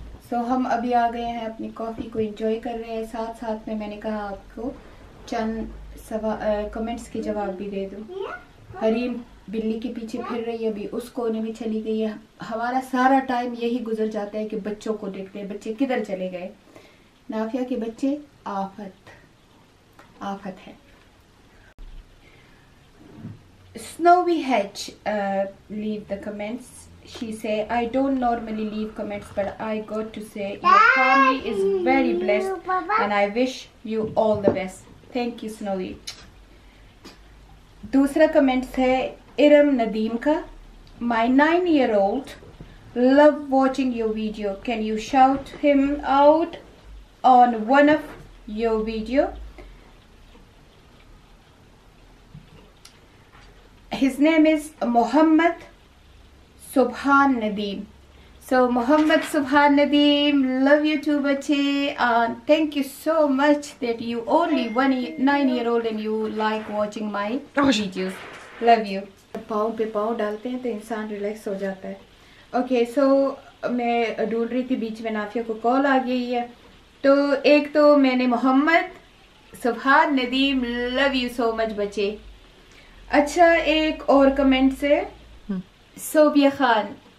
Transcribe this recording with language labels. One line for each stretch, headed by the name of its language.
Hindi: सो हम अभी आ गए हैं अपनी कॉफ़ी को एंजॉय कर रहे हैं साथ साथ में मैंने कहा आपको चंद कमेंट्स के जवाब भी दे दूँ हरीम बिल्ली के पीछे फिर रही है अभी उस कोने में चली गई है हमारा सारा टाइम यही गुजर जाता है कि बच्चों को देखते हैं बच्चे किधर चले गए नाफिया के बच्चे आफत है
English: Snowy Hedge leave the comments. She say, I don't normally leave comments, but I got to say, your family is very blessed and I wish you all the best. Thank you, Snowy.
Hindi: Dusra comments hai, Iram Nadeem ka.
English: My 9-year-old love watching your video. Can you shout him out on one of your video? His name is Muhammad Subhan Nadeem. So Muhammad Subhan Nadeem, love you too, bache. Thank you so much that you only 9-year-old and you like watching my videos. Love you.
Hindi: पाँव पे पाँव डालते हैं तो इंसान relax हो जाता है ओके सो मैं ढूंढ रही थी बीच में नाफिया को कॉल आ गई है तो एक तो मैंने मोहम्मद सुभान Nadeem
English: love you so much
Hindi: बचे अच्छा एक और कमेंट से सोबिया खान